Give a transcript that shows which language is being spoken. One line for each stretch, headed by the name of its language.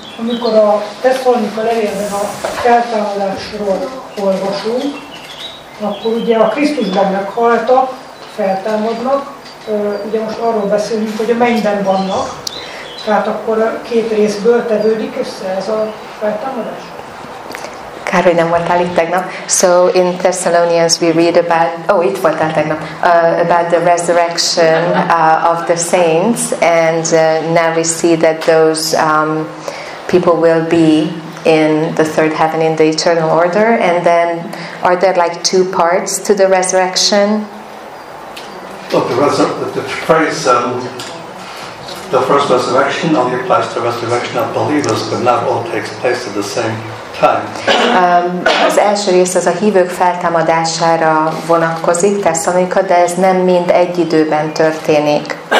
Hungarian: Amikor a Tesszalonika levélben a feltámadásról olvasunk, akkor ugye a Krisztusban meghaltak, feltámadnak, ugye most arról beszélünk, hogy a mennyben vannak, tehát akkor két részből tevődik össze ez a feltámadás. Kár, hogy nem voltál itt tegnap.
English: So in Thessalonians we read about, oh,
Hungarian: itt voltál tegnap,
English: about the resurrection of the saints, and now we see that those people will be in the third heaven in the eternal order. And then are there like two parts to the resurrection? Look, the phrase, the first resurrection only applies to the resurrection of believers, but not all takes place at the same time.
Hungarian: Az első rész az a hívők feltámadására vonatkozik, Tesszalonika, de ez nem mind egy időben történik.